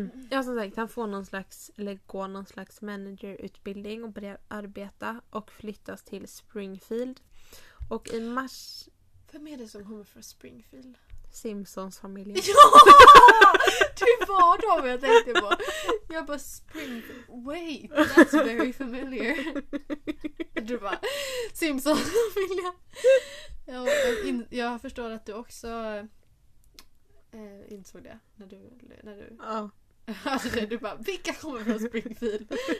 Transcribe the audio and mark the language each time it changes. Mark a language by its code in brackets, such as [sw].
[sv] Ja, som sagt, han får någon slags, eller går någon slags managerutbildning och börjar arbeta och flyttas till Springfield. Och i mars... Vem är det som kommer från Springfield? Simpsons familjen. Ja! Det var de jag tänkte på. Jag bara, [en] Springfield, wait, that's very familiar. [sv] Du bara, Simpsons familjen. Jag förstår att du också... insåg det när du oh. Alltså du bara, vilka kommer från Springfield?